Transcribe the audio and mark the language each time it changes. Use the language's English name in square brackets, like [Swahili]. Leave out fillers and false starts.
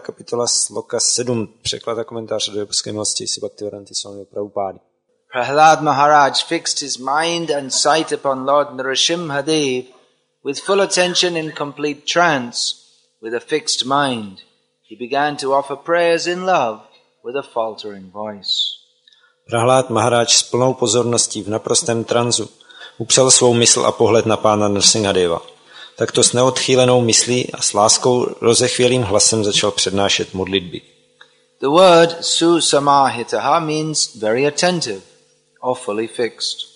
[Czech] kapitola, sloka 7, překlad a komentář do Boské milosti, A.C. Bhaktivedanta Swami Prabhupada. [English] Prahlad Maharaj fixed his mind and sight upon Lord Narasimhadev with full attention in complete trance, with a fixed mind. He began to offer prayers in love with a faltering voice. [Czech] Prahlád Maharaj s plnou pozorností v naprostém tranzu upřel svou mysl a pohled na pána Narasimhadeva. Takto s neodchýlenou myslí a s láskou rozechvělým hlasem začal přednášet modlitby. [English] The word susamahitaha means very attentive or fully fixed.